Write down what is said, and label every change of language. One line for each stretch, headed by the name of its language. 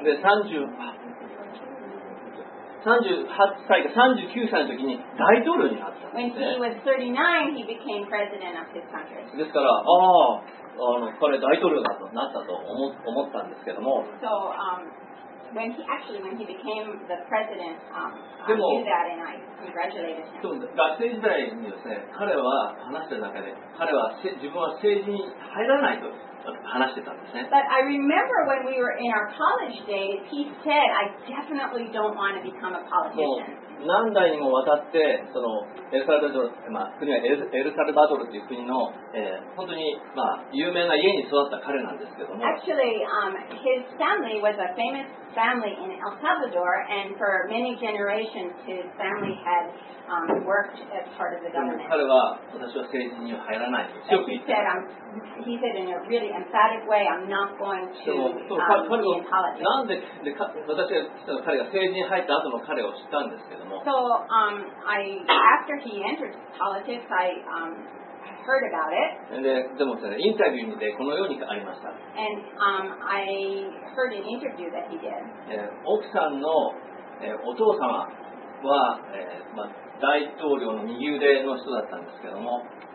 Japanese: で39歳の時に大統領になったんですね。
English: When he was 39, he became president of his country.
Japanese: ですから、ああ。彼大統領になったと思ったんですけども。
English: So, when he became the president, I knew that and I congratulated him.
Japanese: でも、学生時代にですね、彼は話してる中で、彼は自分は政治に入らないと話してたんですね。
English: But I remember when we were in our college days, he said, I definitely don't want to become a politician.
Japanese: 何代にもわたって、その、エルサルバドル、まあ、国はエルサルバドルという国の、本当に、まあ、有名な家に育った彼なんですけども。
English: Actually, his family was a famous family in El Salvador, and for many generations, his family had, worked as part of the government.
Japanese: 彼は、私は政治に入らない。強く言って。
English: He said in a really emphatic way, I'm not going to, be in politics.
Japanese: なんで、で、私は、彼が政治に入った後の彼を知ったんですけど、
English: So, after he entered politics, I heard about it.
Japanese: でこのようにありました。
English: And I heard an interview that he did.
Japanese: 奥さんの、お父様は、まあ、大統領の右腕の人だったんですけども。